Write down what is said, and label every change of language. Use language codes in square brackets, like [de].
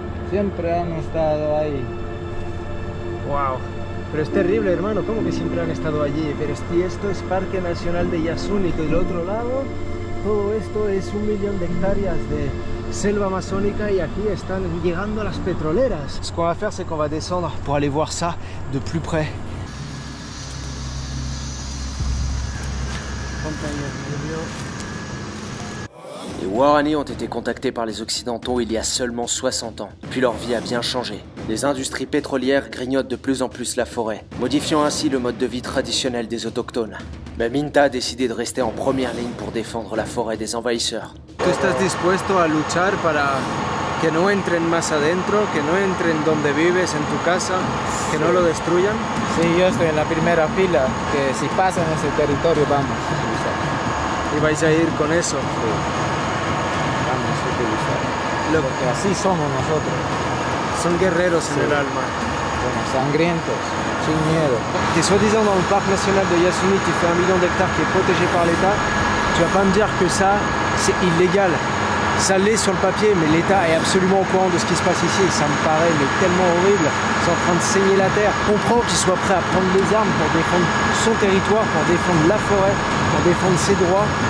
[es] Siempre han estado ahí. Wow. Pero es terrible, hermano. ¿Cómo que siempre han estado allí? Pero si esto es Parque Nacional de Yasuni, y del otro lado, todo esto es 1 millón de hectáreas de selva amazónica y aquí están llegando las petroleras. [fr] Ce qu'on va faire, c'est qu'on va descendre pour aller voir ça de plus près. Les Warani ont été contactés par les Occidentaux il y a seulement 60 ans. Puis leur vie a bien changé. Les industries pétrolières grignotent de plus en plus la forêt, modifiant ainsi le mode de vie traditionnel des autochtones. Mais Minta a décidé de rester en première ligne pour défendre la forêt des envahisseurs. [es] Tu estás dispuesto a luchar para que no entren más adentro, que no entren donde vives, en tu casa, que no lo destruyan? Sí, yo estoy en la primera fila, que si pasan ese territorio, vamos. ¿Y vais a ir con eso? Sí. Vamos a utilizar. Porque así somos nosotros. Son guerreros en el alma. Bueno, sangrientos, sin miedo. [fr] Tu es soi-disant dans le parc national de Yasuni qui fait 1 million d'hectares qui est protégé par l'État. Tu vas pas me dire que ça, c'est illégal. Ça l'est sur le papier, mais l'État est absolument au courant de ce qui se passe ici. Ça me paraît mais tellement horrible. Ils sont en train de saigner la terre. Je comprends qu'ils soient prêts à prendre les armes pour défendre son territoire, pour défendre la forêt, pour défendre ses droits.